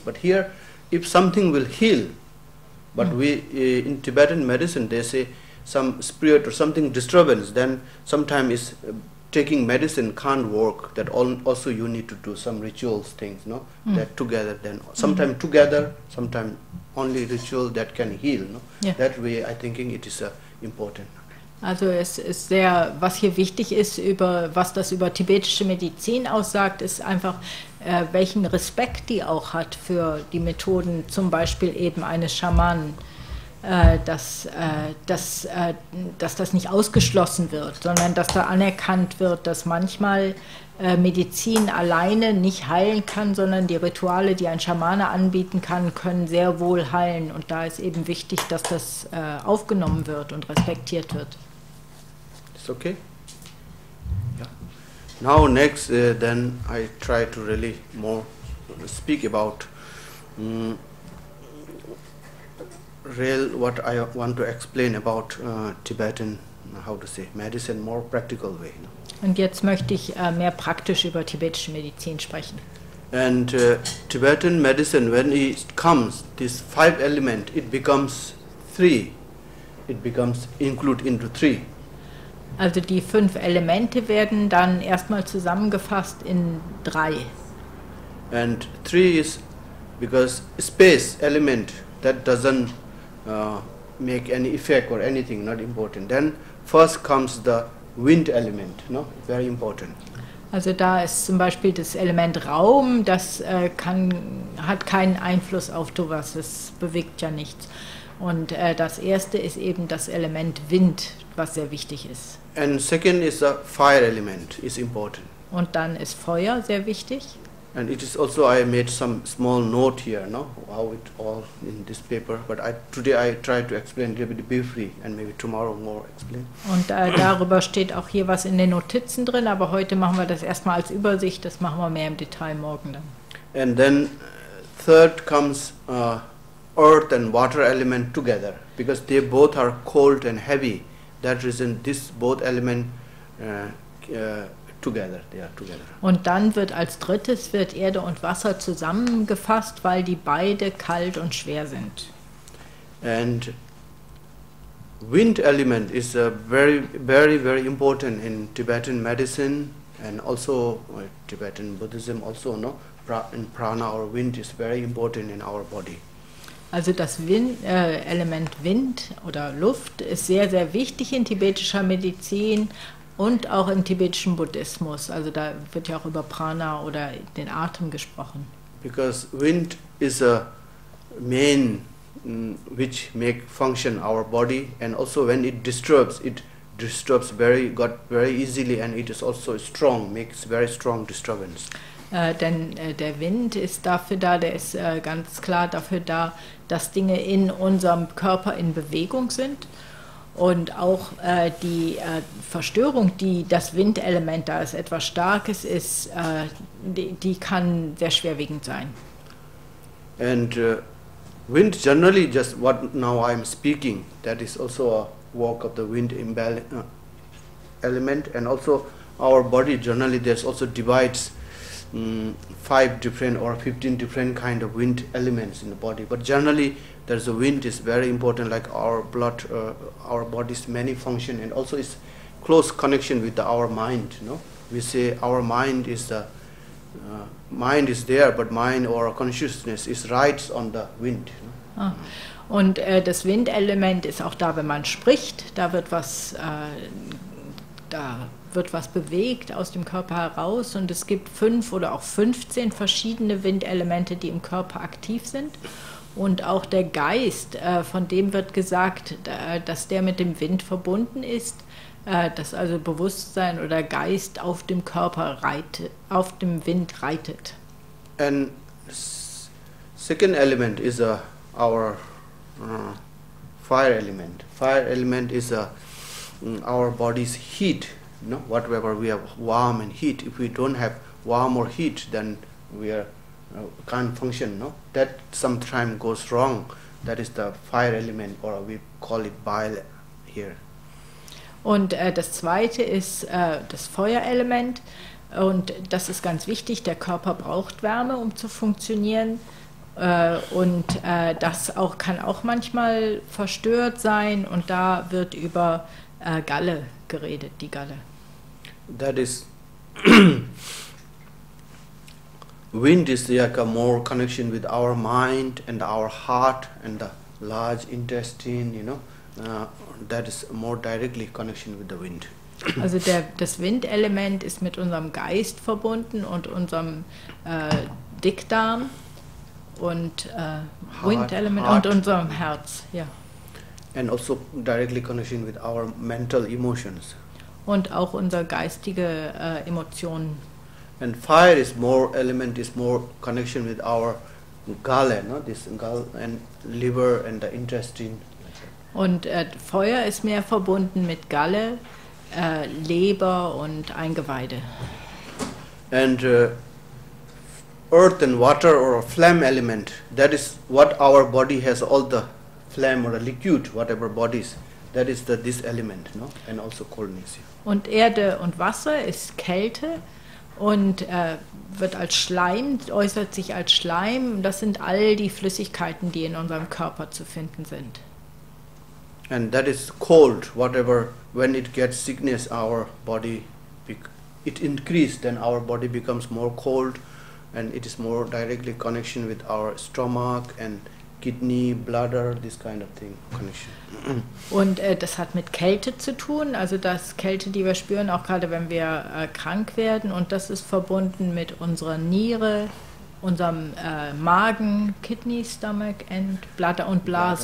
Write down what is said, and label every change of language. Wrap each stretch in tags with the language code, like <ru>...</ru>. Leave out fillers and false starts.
<en>But here, if something will heal, but we in Tibetan medicine they say some spirit or something disturbance, then sometimes is taking medicine can't work. That also you need to do some rituals things, no? That together then sometimes together, sometimes only ritual that can heal, no? Yeah. That way I thinking it is important.</en> <de>Also es ist sehr, was hier wichtig ist, über was das über tibetische Medizin aussagt, ist einfach, welchen Respekt die auch hat für die Methoden, zum Beispiel eben eines Schamanen, dass das nicht ausgeschlossen wird, sondern dass da anerkannt wird, dass manchmal Medizin alleine nicht heilen kann, sondern die Rituale, die ein Schamane anbieten kann, können sehr wohl heilen. Und da ist eben wichtig, dass das aufgenommen wird und respektiert wird.</de> <en>It's okay. Yeah. Now next, then I try to really more speak about real what I want to explain about Tibetan, how to say, medicine more practical way. You know?</en> <de>Und jetzt möchte ich mehr praktisch über tibetische Medizin sprechen.</de> <en>And Tibetan medicine, when it comes, this five element, it becomes three. It becomes include into three.</en> <de>Also die fünf Elemente werden dann erstmal zusammengefasst in drei.</de> <en>And three is because space element that doesn't make any effect or anything, not important. Then first comes the wind element, no? Very important.</en> <de>Also da ist zum Beispiel das Element Raum, das hat keinen Einfluss auf sowas, es bewegt ja nichts. Und das erste ist eben das Element Wind, was sehr wichtig ist.</de> <en>And second is the fire element, is important.</en> <de>Und dann ist Feuer sehr wichtig.</de> <en>And it is also, I made some small note here, no? How it all in this paper. But today I try to explain a little bit briefly and maybe tomorrow more explain.</en> <de>Und darüber steht auch hier was in den Notizen drin, aber heute machen wir das erstmal als Übersicht, das machen wir mehr im Detail morgen dann.</de> <en>And then third comes earth and water element together, because they both are cold and heavy. That reason this both element together, they are together.</en> <de>Und dann wird als drittes wird Erde und Wasser zusammengefasst, weil die beide kalt und schwer sind.</de> <en>And wind element is a very, very, very important in Tibetan medicine and also Tibetan Buddhism also, no? In prana or wind is very important in our body.</en> <de>Also das Element Wind oder Luft ist sehr, sehr wichtig in tibetischer Medizin und auch im tibetischen Buddhismus. Also da wird ja auch über Prana oder den Atem gesprochen.</de> <en>Because wind is a main which make function our body, and also when it disturbs very got very easily, and it is also strong, makes very strong disturbance.</en> <de>Denn der Wind ist dafür da, der ist ganz klar dafür da, dass Dinge in unserem Körper in Bewegung sind. Und auch die Verstörung, die das Windelement da ist, etwas Starkes ist, die kann sehr schwerwiegend sein.</de> <en>And wind generally, just what now I'm speaking, that is also a work of the wind element. And also our body generally, there's also divides 5 different or 15 different kind of wind elements in the body. But generally, there's a wind is very important, like our blood, our body's many function, and also it's close connection with our mind, you know? We say our mind is the mind is there, but mind or consciousness is rides on the wind. You know?</en> <de>Und das Windelement ist auch da, wenn man spricht, da wird was bewegt aus dem Körper heraus, und es gibt 5 oder auch 15 verschiedene Windelemente, die im Körper aktiv sind. Und auch der Geist, von dem wird gesagt, dass der mit dem Wind verbunden ist, dass also Bewusstsein oder Geist auf dem Körper reitet, auf dem Wind reitet.</de> <en>And second element is our fire element. Fire element is our body's heat. No, whatever we have warm and heat. If we don't have warm or heat, then we are can't function. No, that sometimes goes wrong. That is the fire element, or we call it bile here.</en> <de>Und das zweite ist das Feuerelement, und das ist ganz wichtig. Der Körper braucht Wärme, um zu funktionieren. Und das auch kann auch manchmal verstört sein, und da wird über Galle geredet, die Galle.</de> <en>That is, wind is like a more connection with our mind and our heart and the large intestine, you know, that is more directly connection with the wind.</en> <de>Also das Windelement ist mit unserem Geist verbunden und unserem Dickdarm und Windelement und unserem Herz, ja.</de> <en>And also directly connection with our mental emotions.</en> <de>Und auch unsere geistige Emotionen.</de> <en>And fire is more element, is more connection with our gallen, no? This gall and liver and the intestine.</en> <de>Und Feuer ist mehr verbunden mit Galle, Leber und Eingeweide.</de> <en>And earth and water or flame element, that is what our body has, all the flame or the liquid, whatever bodies. That is this element, no? And also coldness.</en> <de>Und Erde und Wasser ist Kälte und wird als Schleim, äußert sich als Schleim. Das sind all die Flüssigkeiten, die in unserem Körper zu finden sind.</de> <en>And that is cold, whatever, when it gets sickness, our body, it increases, then our body becomes more cold, and it is more directly connection with our stomach and kidney, bladder, this kind of thing, condition.</en> <de>Und das hat mit Kälte zu tun, also das Kälte, die wir spüren, auch gerade wenn wir krank werden, und das ist verbunden mit unserer Niere, unserem Magen,</de> <en>Kidney, Stomach and Bladder</en> <de>und Blase.</de>